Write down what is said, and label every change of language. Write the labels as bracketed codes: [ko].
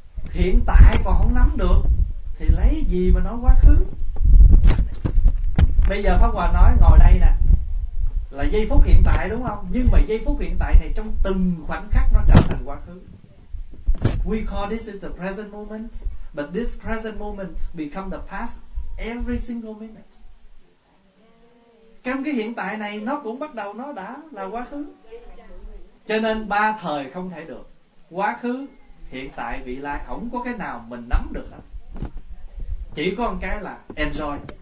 [vi] Hiện tại còn không nắm được thì lấy gì mà nói quá khứ. Bây giờ Pháp Hòa nói ngồi đây nè là giây phút hiện tại đúng không? Nhưng mà giây phút hiện tại này trong từng khoảnh khắc nó trở thành quá khứ. [en] We call this is the present moment, but this present moment become the past every single minute. [vi] Trong cái hiện tại này nó cũng bắt đầu nó đã là quá khứ. Cho nên ba thời không thể được: quá khứ, hiện tại, vị lai. Không có cái nào mình nắm được hết. Chỉ có một cái là enjoy.